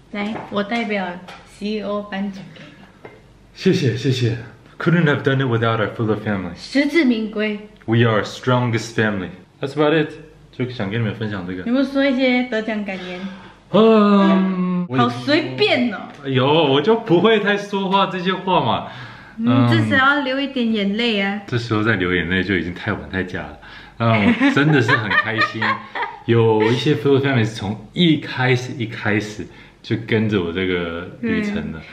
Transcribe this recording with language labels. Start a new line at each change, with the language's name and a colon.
Chinese: 来，我代表 CEO 颁奖给你。谢谢，谢谢。
English: Couldn't have done it without our Fuller family.
Chinese: 实至名归。
English: We are our strongest family. That's about it.
Chinese: 就想跟你们分享这个。有没有说一些得奖感言？好随便哦。有，我就不会太说话这些话嘛。至少要流一点眼泪啊。这时候再流眼泪就已经太晚太假了。真的是很开心，有一些 Fuller family 是从一开始就跟着我这个旅程的。